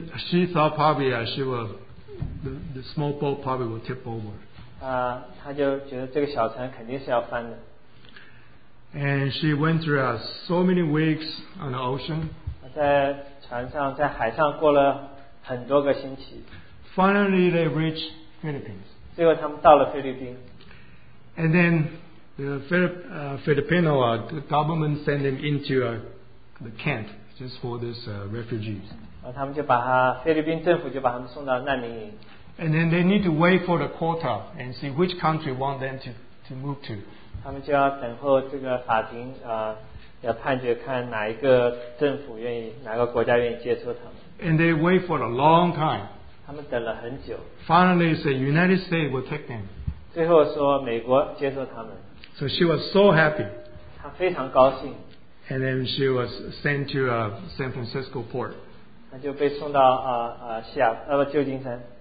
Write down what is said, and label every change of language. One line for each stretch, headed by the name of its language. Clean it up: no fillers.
English: She thought probably she will, the small boat probably will tip over. And she went through so many weeks on the ocean.
Chinese: 在船上, 在海上过了很多个星期。
English: Finally, they reached Philippines.
Chinese: 最后他们到了菲律宾。
English: And then the Filipino government sent them into the camp just for these refugees.
Chinese: 他们就把他, 菲律宾政府就把他们送到难民营。
English: And then they need to wait for the quota and see which country want them to move to.
Chinese: 他们就要等候这个法庭, 要判决看哪一个政府愿意, 哪个国家愿意接受他们。
English: And they wait for a long time.
Chinese: 他们等了很久。
English: Finally, the United States will take them.
Chinese: 最后说美国接受他们。
English: So she was so happy.
Chinese: 她非常高兴。
English: And then she was sent to San Francisco port.
Chinese: 她就被送到, 西亚, 旧金山。